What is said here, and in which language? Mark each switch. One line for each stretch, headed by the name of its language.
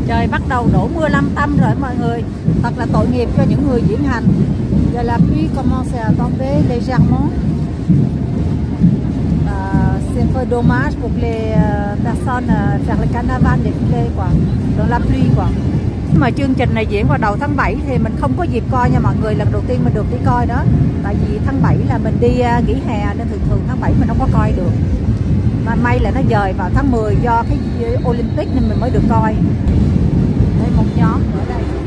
Vietnamese: Bắt đầu đổ mưa lâm tâm rồi mọi người, thật là tội nghiệp cho những người diễn hành.
French: Giờ la pluie commence à tomber légèrement. C'est un peu dommage pour les personnes faire le carnaval des filets quoi, dans la pluie quoi.
Vietnamese: Mà chương trình này diễn vào đầu tháng 7 thì mình không có dịp coi nha mọi người, lần đầu tiên mình được đi coi đó. Tại vì tháng 7 là mình đi nghỉ hè nên thường thường tháng 7 mình không có coi được. Mà may là nó dời vào tháng 10 do cái Olympic nên mình mới được coi. Đây một nhóm ở đây.